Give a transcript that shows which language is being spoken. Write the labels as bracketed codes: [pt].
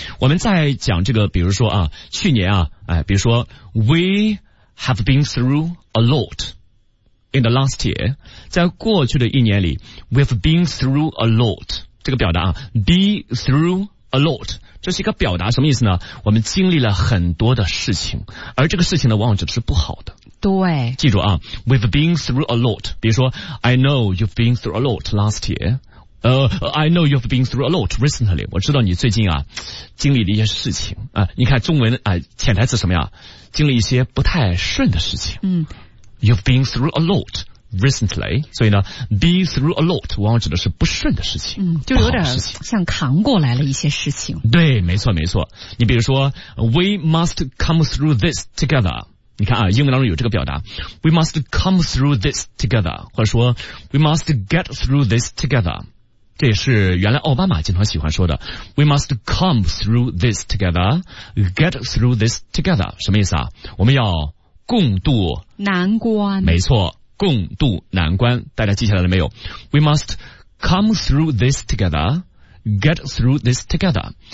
[zh] 我们在讲这个比如说啊，去年啊，哎，比如说 [en] We have been through a lot in the last year， [zh] 在过去的一年里 [en] We have been through a lot， [zh] 这个表达啊 [en] Be through a lot， [zh] 这是一个表达，什么意思呢？我们经历了很多的事情，而这个事情呢往往指的是不好的。对，记住啊， [en] We've been through a lot， [zh] 比如说 [en] I know you've been through a lot last year，I know you've been through a lot recently。 [zh] 我知道你最近啊经历了一些事情啊，你看中文啊潜台词什么呀，经历一些不太顺的事情。嗯， [en] You've been through a lot recently， [zh] 所以呢 [en] be through a lot [zh] 往往指的是不顺的事情。嗯，就有点像扛过来了一些事情。对，没错没错。你比如说 [en] We must come through this together， [zh] 你看啊，英文当中有这个表达 [en] We must come through this together， [zh] 或者说 [en] We must get through this together。 [zh] 这也是原来奥巴马经常喜欢说的 [en] We must come through this together Get through this together， [zh] 什么意思啊？我们要共度难关。没错，共度难关，大家记下来了没有？ [en] We must come through this together Get through this together。